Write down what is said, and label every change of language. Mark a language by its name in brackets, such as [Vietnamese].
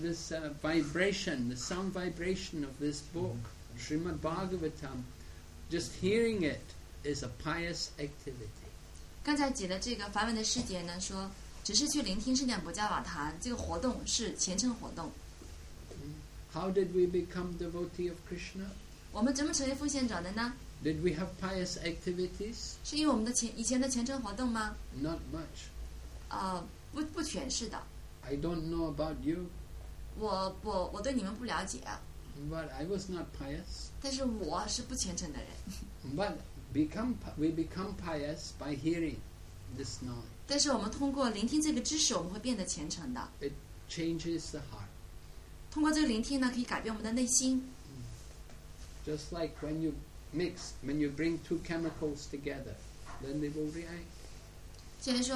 [English] This knowledge, this vibration, the sound vibration of this book, Srimad Bhagavatam, just hearing it is a pious activity. [Chinese] 刚才解的这个梵文的师姐呢说，只是去聆听释迦牟尼佛法坛，这个活动是虔诚活动。 [English] How did we become devotee of Krishna? [Chinese] 我们怎么成为奉献者的呢？ [English] Did we have pious activities? [Chinese] 是因为我们的前以前的虔诚活动吗？ [English] Not much. [Chinese] 不全是的。 [English] I don't know about you. [Chinese] 我对你们不了解。 [English] But I was not pious. [Chinese] 但是我是不虔诚的人。 [English] But we become pious by hearing this knowledge. [Chinese] 但是我们通过聆听这个知识，我们会变得虔诚的。 [English] It changes the heart. [Chinese] 通过这个聆听呢，可以改变我们的内心。 [English] Just like when you mix, when you bring two chemicals together, then they will react.